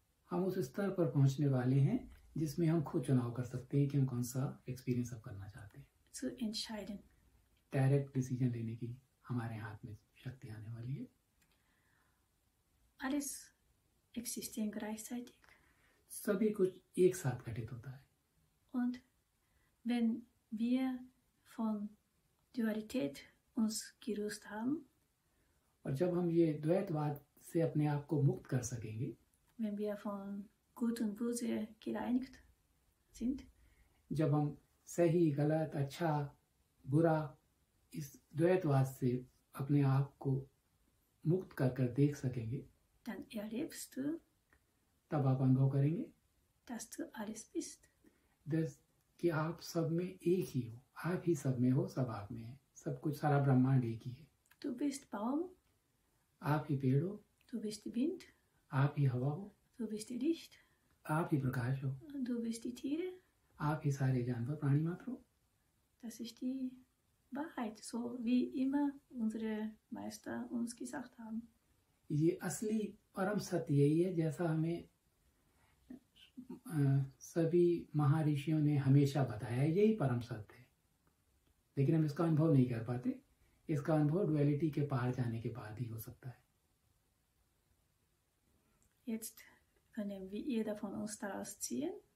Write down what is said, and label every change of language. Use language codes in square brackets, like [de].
[hi] हम उस स्तर पर पहुंचने वाले हैं जिसमें हम खुद चुनाव कर सकते हैं कि हम कौन सा एक्सपीरियंस अब करना चाहते हैं. [de] zu entscheiden. [hi] डायरेक्ट डिसीजन लेने की हमारे हाथ में शक्ति आने वाली है. [de] alles existieren gleichzeitig. [hi] सभी कुछ एक साथ घटित होता है. [de] Und wenn wir von Dualität uns gelöst haben, [hi] और जब हम ये द्वैतवाद से अपने आप को मुक्त कर सकेंगे, [de] wenn wir von Gut und Böse gereinigt sind, [hi] जब हम सही गलत अच्छा बुरा इस द्वैतवाद से अपने आप को मुक्त कर देख सकेंगे, [de] dann erlebst du, [hi] तब आप अनुभव करेंगे, [de] dass du alles bist. [hi] कि आप सब में एक ही हो, आप ही सब में हो, सब आप में है, सब कुछ सारा ब्रह्मांड एक ही है. [de] Du bist Baum. [hi] आप ही पेड़ हो. [de] Du bist Wind. [hi] आप ही हवा हो. [de] Du bist Licht. [hi] आप ही प्रकाश हो. [de] Du bist die Tiere. [hi] आप ही सारे जानवर प्राणी मात्र हो. [de] Das ist die Wahrheit, so wie immer unsere Meister uns gesagt haben. [hi] ये असली परम सत्य यही है जैसा हमें सभी महर्षियों ने हमेशा बताया, यही परम सत्य है. लेकिन हम इसका अनुभव नहीं कर पाते. इसका अनुभव डुअलिटी के पार जाने के बाद ही हो सकता है. [de] Jetzt können wir jeder von uns daraus ziehen.